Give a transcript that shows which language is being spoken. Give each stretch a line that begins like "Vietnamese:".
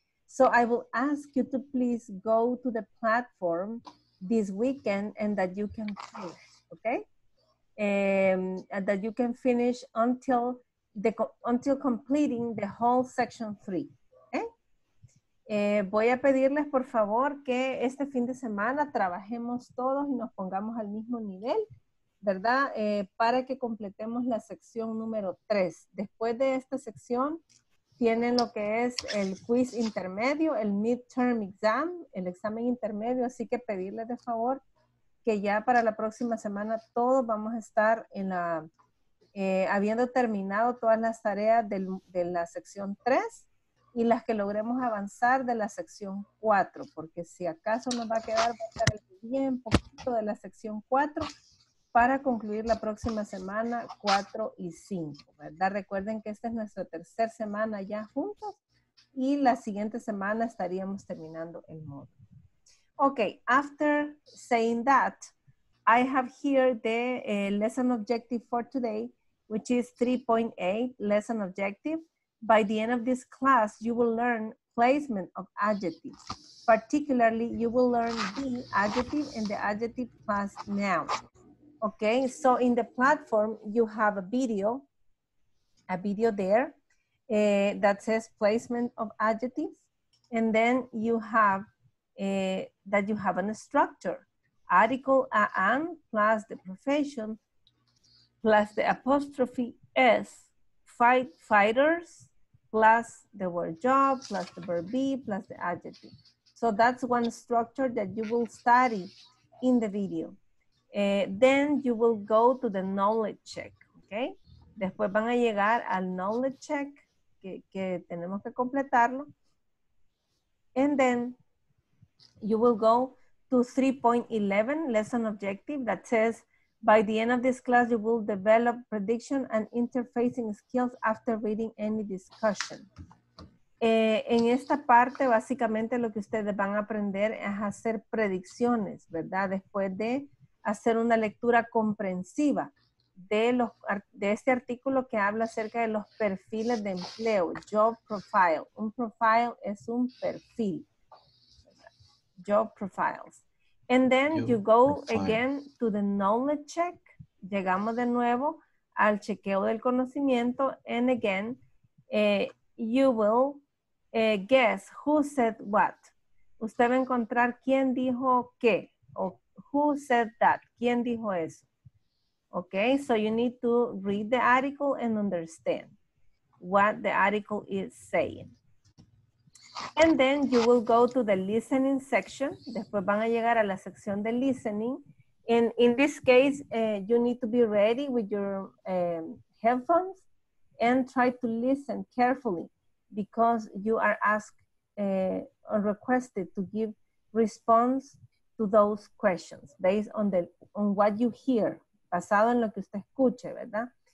English: So I will ask you to please go to the platform this weekend and that you can finish, okay? And that you can finish until the until completing the whole section 3, okay?
Spanish: Voy a pedirles, por favor, que este fin de semana trabajemos todos y nos pongamos al mismo nivel, ¿verdad? Para que completemos la sección número 3. Después de esta sección, tienen lo que es el quiz intermedio, el midterm exam, el examen intermedio. Así que pedirles de favor que ya para la próxima semana todos vamos a estar en la, habiendo terminado todas las tareas del, de la sección 3 y las que logremos avanzar de la sección 4. Porque si acaso nos va a quedar, va a estar bien poquito de la sección 4 para concluir la próxima semana 4 y 5, ¿verdad? Recuerden que esta es nuestra tercera semana ya juntos y la siguiente semana estaríamos terminando el módulo.
English: Okay, after saying that, I have here the lesson objective for today, which is 3.8 lesson objective. By the end of this class, you will learn placement of adjectives. Particularly, you will learn the adjective and the adjective class noun. Okay, so in the platform, you have a video there that says placement of adjectives. And then you have that you have a structure, article an plus the profession plus the apostrophe s, fighters plus the word job plus the verb be plus the adjective. So that's one structure that you will study in the video. Then you will go to the knowledge check, okay?
Spanish: Después van a llegar al knowledge check que tenemos que completarlo.
English: And then you will go to 3.11 lesson objective that says, by the end of this class, you will develop prediction and interfacing skills after reading any discussion.
Spanish: En esta parte, básicamente lo que ustedes van a aprender es hacer predicciones, ¿verdad? Después de hacer una lectura comprensiva de, los, de este artículo que habla acerca de los perfiles de empleo, job profile. Un profile es un perfil. Job profiles.
English: And then you go again to the knowledge check.
Spanish: Llegamos de nuevo al chequeo del conocimiento.
English: And again, you will guess who said what.
Spanish: Usted va a encontrar quién dijo qué.
English: Who said that?
Spanish: ¿Quién dijo eso?
English: Okay, so you need to read the article and understand what the article is saying. And then you will go to the listening section.
Spanish: Después van a llegar a la sección de listening.
English: In this case, you need to be ready with your headphones and try to listen carefully because you are asked or requested to give response to those questions based on the on what you hear,
Spanish: basado en lo que usted escuche, ¿verdad?